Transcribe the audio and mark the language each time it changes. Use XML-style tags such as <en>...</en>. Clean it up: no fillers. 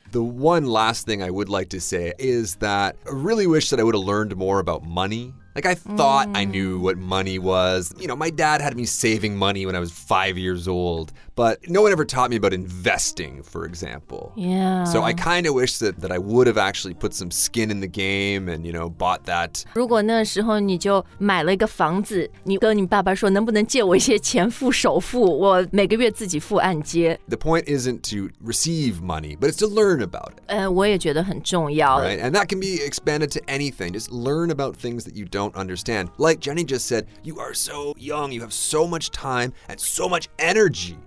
<en>The one last thing I would like to say is that I really wish that I would have learned more about money. Like I thought I knew what money was. You know, my dad had me saving money when I was 5 years old. But no one ever taught me about investing, for example. Yeah. So I kind of wish that I would have actually put some skin in the game and, you know, bought that.</en> <zh>如果那时候你就买了一个房子，你跟你爸爸说能不能借我一些钱付首付，我每个月自己付按揭。</zh> <en>The point isn't to receive money, but it's to learn about it.</en> <zh>我也觉得很重要。</zh> <en>Right, and that can be expanded to anything. Just learn about things that you don't understand. Like Jenny just said, you are so young, you have so much time and so much energy.</en>